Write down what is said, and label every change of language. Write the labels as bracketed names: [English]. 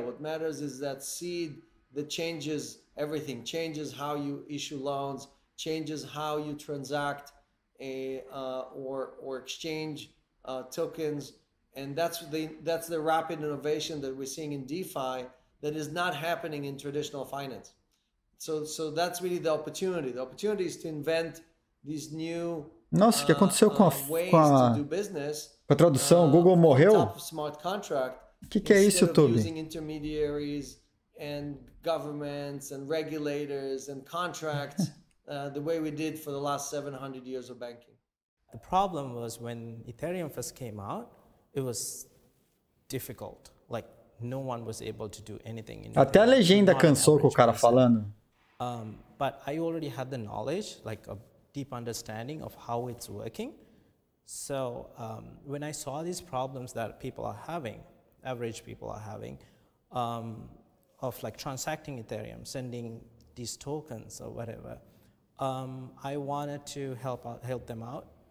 [English] What matters is that seed that changes everything, changes how you issue loans, changes how you transact or exchange tokens. And that's the rapid innovation that we're seeing in DeFi that is not happening in traditional finance. So that's really the opportunity. The opportunity is to invent these new [Portuguese] Nossa, que aconteceu com a tradução, Google morreu? Que é isso, YouTube? [English] Using intermediaries and governments and regulators and contracts the way we did for the last 700 years of banking. The problem was when Ethereum first came out, it was difficult. Like no one was able to do anything in [Portuguese] Até a legenda cansou com o cara falando. [English] But I already had the knowledge, like a deep understanding of how it's working. So when I saw these problems that people are having, average people are having, of like transacting Ethereum, sending these tokens or whatever, I wanted to help them out.